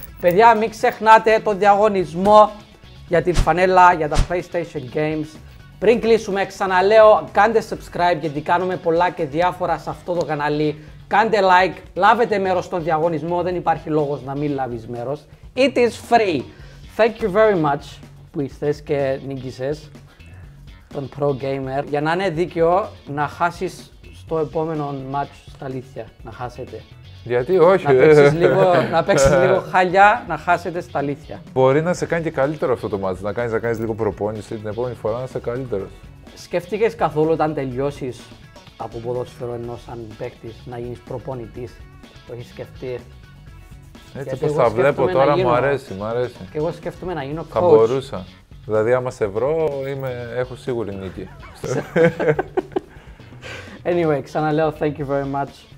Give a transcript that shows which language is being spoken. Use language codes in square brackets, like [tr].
[el] Παιδιά, μην ξεχνάτε το διαγωνισμό για την φανέλα, για τα PlayStation Games. Πριν κλείσουμε, ξαναλέω, κάντε subscribe, γιατί κάνουμε πολλά και διάφορα σε αυτό το κανάλι. Κάντε like, λάβετε μέρος στον διαγωνισμό, δεν υπάρχει λόγος να μην λάβεις μέρος. [en] It is free. Thank you very much [el] που ήρθες και νίκησες τον [en] pro gamer. [el] Για να είναι δίκαιο, να χάσεις στο επόμενο match στα αλήθεια, να χάσετε. Γιατί όχι. Να παίξεις λίγο χαλιά, να χάσετε στα αλήθεια. Μπορεί να σε κάνει και καλύτερο αυτό το match, να κάνεις λίγο προπόνηση την επόμενη φορά, να είσαι καλύτερος. Σκέφτηκες καθόλου όταν τελειώσεις από ποδόσφαιρο ενός σαν παίκτης να γίνεις προπονητής? Το έχεις σκεφτεί? Έτσι πως θα βλέπω τώρα, μου αρέσει. Και εγώ σκέφτομαι να γίνω coach. Θα μπορούσα. Δηλαδή άμα σε βρω, έχω σίγουρη νίκη. [en] Anyway, [el] ξαναλέω, [en] thank you very much.